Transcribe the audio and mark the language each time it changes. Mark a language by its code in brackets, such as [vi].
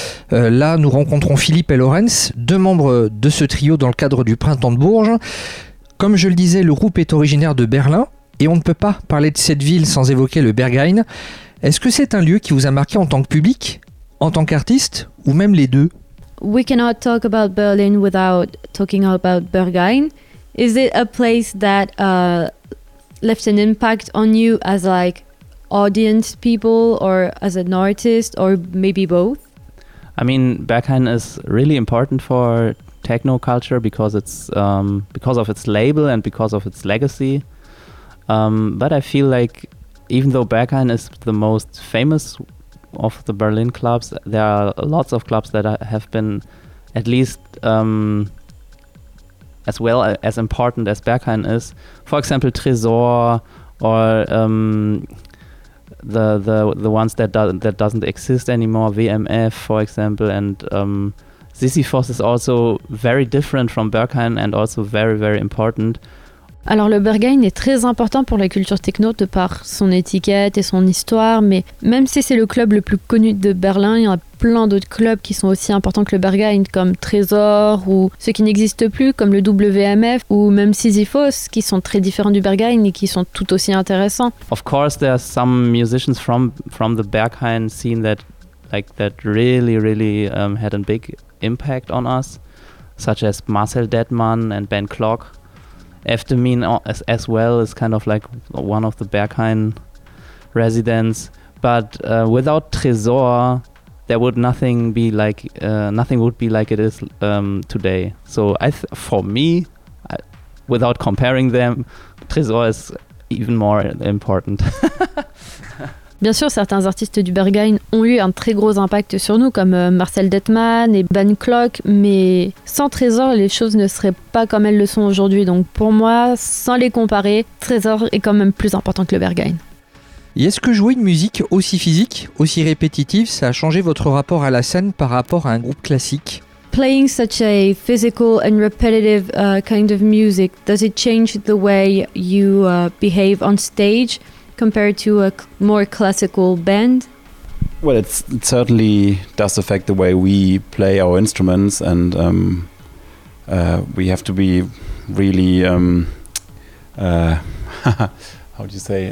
[fr] Là, nous rencontrons Philippe et Lorenz, deux membres de ce trio dans le cadre du Printemps de Bourges. Comme je le disais, le groupe est originaire de Berlin et on ne peut pas parler de cette ville sans évoquer le Berghain. Est-ce que c'est un lieu qui vous a marqué en tant que public, en tant qu'artiste ou même les deux? [en] We cannot talk about Berlin without talking about Berghain. Is it a place that left an impact on you as like audience people or as an artist or maybe both? I mean, Berghain is really important for techno culture because it's because of its label and because of its legacy. But I feel like even though Berghain is the most famous of the Berlin clubs, there are lots of clubs that have been at least as well as important as Berghain is. For example, Tresor or the ones that doesn't exist anymore, WMF, for example, and Sisyphos is also very different from Berghain and also very, very important. [fr] Alors le Berghain est très important pour la culture techno de par son étiquette et son histoire, mais même si c'est le club le plus connu de Berlin, il y en a plein d'autres clubs qui sont aussi importants que le Berghain, comme Tresor ou ceux qui n'existent plus, comme le WMF ou même Sisyphos, qui sont très différents du Berghain et qui sont tout aussi intéressants. [en] Of course, there are some musicians from the Berghain scene that like that really really had a big impact on us, such as Marcel Detman and Ben Clock. Eftemin as well is kind of like one of the Berghain residents, but without Tresor, there would nothing be like nothing would be like it is today. So for me, without comparing them, Tresor is even more important. [fr] Bien sûr, certains artistes du Berghain ont eu un très gros impact sur nous, comme Marcel Detman et Ben Clock, mais sans Tresor, les choses ne seraient pas comme elles le sont aujourd'hui. Donc pour moi, sans les comparer, Tresor est quand même plus important que le Berghain. Et est-ce que jouer une musique aussi physique, aussi répétitive, ça a changé votre rapport à la scène par rapport à un groupe classique? [en] Playing such a physical and repetitive kind of music, does it change the way you behave on stage compared to a more classical band? Well, it certainly does affect the way we play our instruments, and we have to be really how do you say